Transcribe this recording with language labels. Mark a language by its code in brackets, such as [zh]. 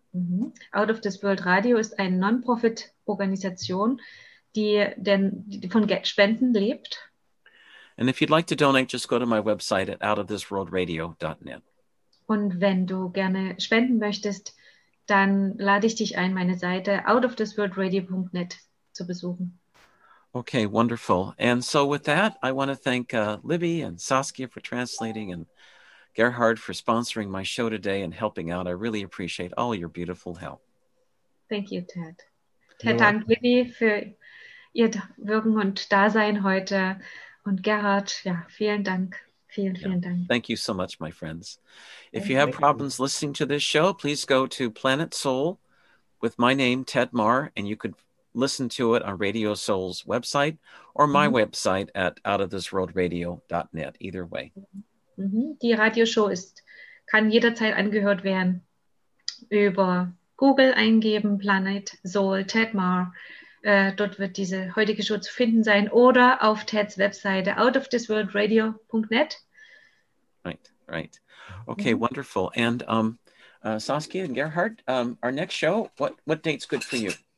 [de] Mm-hmm. Out of This World Radio ist eine Non-Profit-Organisation, die von Spenden lebt. [en] And if you'd like to donate, just go to my website at outofthisworldradio.net. [de] Und wenn du gerne spenden möchtest, dann lade ich dich ein, meine Seite outofthisworldradio.net zu besuchen. [en] Okay, wonderful. And so with that, I want to thank Libby and Saskia for translating and Gerhard for sponsoring my show today and helping out. I really appreciate all your beautiful help. Thank you, Ted. [de] Ted, danke Libby für ihr Wirken und Dasein heute. Und Gerhard, ja, vielen Dank. Vielen Dank. [en] Thank you so much, my friends. If you have problems listening to this show, please go to Planet Soul with my name, Ted Marr, and you could listen to it on Radio Soul's website or my website at outofthisworldradio.net, either way. Mm-hmm. [de] Die Radioshow kann jederzeit angehört werden. Über Google eingeben, Planet Soul, Ted Marr. Dort wird diese heutige Show zu finden sein oder auf Teds Webseite outofthisworldradio.net. [en] Right, right. Okay, wonderful. And Saskia and Gerhard, our next show, what date's good for you?